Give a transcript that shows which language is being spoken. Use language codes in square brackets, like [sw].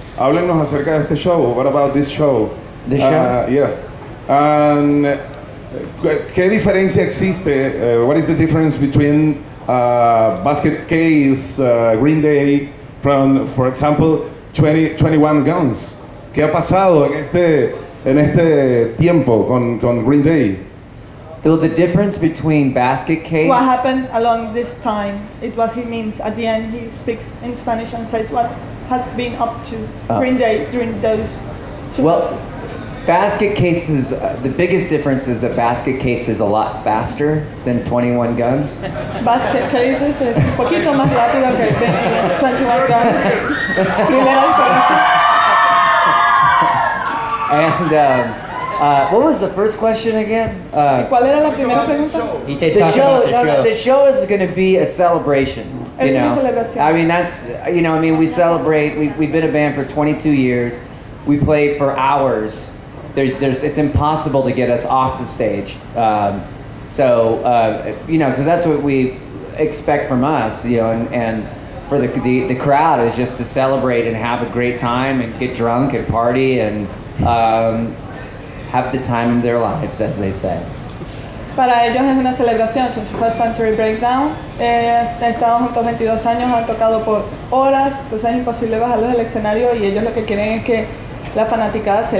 [es] Háblenos acerca de este show. [en] What about this show? The show? Yeah. And [es] ¿qué diferencia existe? [en] What is the difference between Basket Case, Green Day, from, for example, 21 Guns? [es] ¿Qué ha pasado en este tiempo con Green Day? [en] So the difference between Basket Case... What happened along this time? It what he means. At the end, he speaks in Spanish and says what has been up to Green Day during those two months. Basket Case is, the biggest difference is that Basket Case is a lot faster than 21 Guns. [es] Basket Case is un poquito más rápido que 21 Guns. Primera diferencia. [en] And what was the first question again? [es] ¿Cuál era la primera pregunta? [en] The show is going to be a celebration. [es] Es una celebración. [en] We celebrate. We've been a band for 22 years. We play for hours. It's impossible to get us off the stage. So that's what we expect from us. And for the crowd is just to celebrate and have a great time and get drunk and party and have the time of their lives, as they say. [es] Para ellos es una celebración, es su first century breakdown. Estamos juntos 22 años, han tocado por horas, entonces es imposible bajarlos del escenario y ellos lo que quieren es que la fanaticada se